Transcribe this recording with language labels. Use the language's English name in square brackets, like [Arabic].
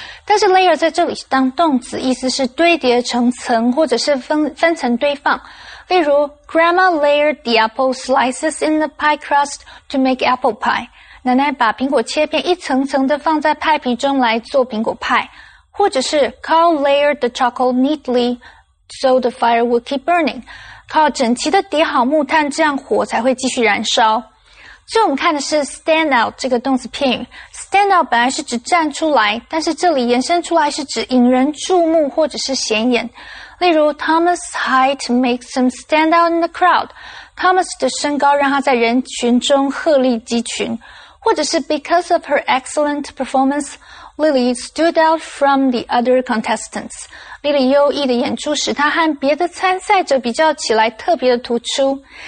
[Chinese] 但是layer在这里是当动词， 意思是堆叠成层或者是分层堆放。例如， [English] Grandma layered the apple slices in the pie crust to make apple pie. [Chinese] 奶奶把苹果切片一层层地放在派皮中来做苹果派。或者是， [English] Carl layered the charcoal neatly so the fire would keep burning. [Chinese] Carl 整齐地叠好木炭， 这样火才会继续燃烧。所以我们看的是 stand out 这个动词片语。Stand out 本来是指站出来， 但是这里延伸出来是指引人注目或者是显眼。例如 [English] Thomas' height makes him stand out in the crowd. [Chinese] Thomas 的身高让他在人群中鹤立鸡群。或者是 [English] because of her excellent performance, Lily stood out from the other contestants. [Chinese] Lily 优异的演出使她和别的参赛者比较起来特别的突出。